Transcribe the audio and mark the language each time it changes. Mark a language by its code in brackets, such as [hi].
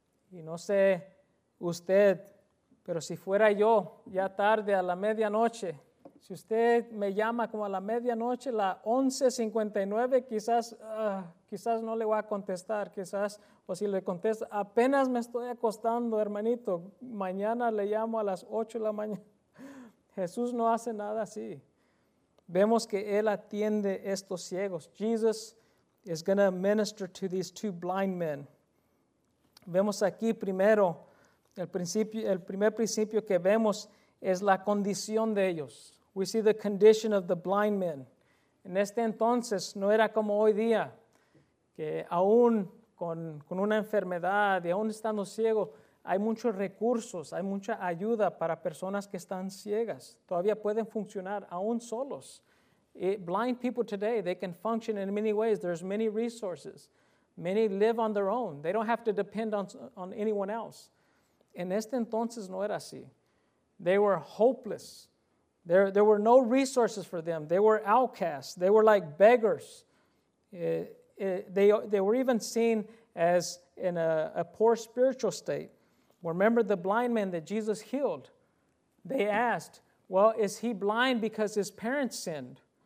[es] Y no sé usted, pero si fuera yo, ya tarde a la medianoche, si usted me llama como a la medianoche, la 11:59, quizás no le voy a contestar, quizás, o si le contesto, apenas me estoy acostando, hermanito, mañana le llamo a las 8 de la mañana. Jesús no hace nada así. Vemos que Él atiende estos ciegos. [en] Jesus is going to minister to these two blind men. [es] Vemos aquí primero, el primer principio que vemos es la condición de ellos. [en] We see the condition of the blind men. [es] En este entonces, no era como hoy día, que aún con una enfermedad y aún estando ciego, hay muchos recursos, hay mucha ayuda para personas que están ciegas. Todavía pueden funcionar aún solos. [en] Blind people today, they can function in many ways. There's many resources. Many live on their own. They don't have to depend on anyone else. [es] En este entonces no era así. [en] They were hopeless. There were no resources for them. They were outcasts. They were like beggars. They were even seen as in a poor spiritual state. Remember the blind man that Jesus healed. They asked, well, is he blind because his parents sinned?